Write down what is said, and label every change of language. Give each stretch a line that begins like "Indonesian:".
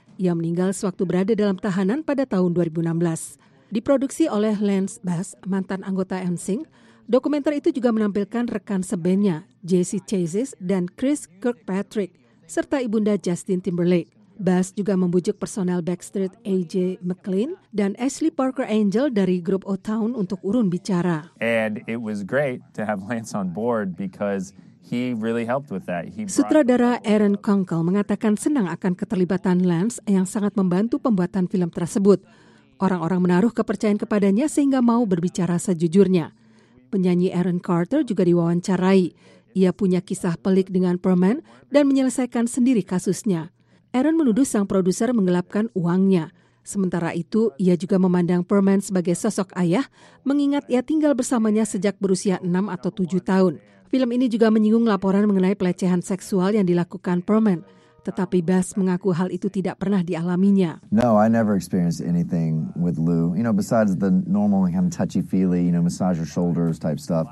Indonesian: Ia meninggal sewaktu berada dalam tahanan pada tahun 2016. Diproduksi oleh Lance Bass, mantan anggota NSYNC, dokumenter itu juga menampilkan rekan sebandnya, Jesse Chases dan Chris Kirkpatrick, serta ibunda Justin Timberlake. Bass juga membujuk personel Backstreet AJ McLean dan Ashley Parker Angel dari grup O-Town untuk urun bicara.
English: And it was great to have Lance on board because he really helped with that.
Indonesian: Sutradara Aaron Kunkel mengatakan senang akan keterlibatan Lance yang sangat membantu pembuatan film tersebut. Orang-orang menaruh kepercayaan kepadanya sehingga mau berbicara sejujurnya. Penyanyi Aaron Carter juga diwawancarai. Ia punya kisah pelik dengan Perman dan menyelesaikan sendiri kasusnya. Aaron menuduh sang produser menggelapkan uangnya. Sementara itu, ia juga memandang Perman sebagai sosok ayah, mengingat ia tinggal bersamanya sejak berusia 6 atau 7 tahun. Film ini juga menyinggung laporan mengenai pelecehan seksual yang dilakukan Perman. Tetapi Bass mengaku hal itu tidak pernah dialaminya.
English: No, I never experienced anything with Lou. You know, besides the normal kind of touchy-feely, you know, massage your shoulders type stuff.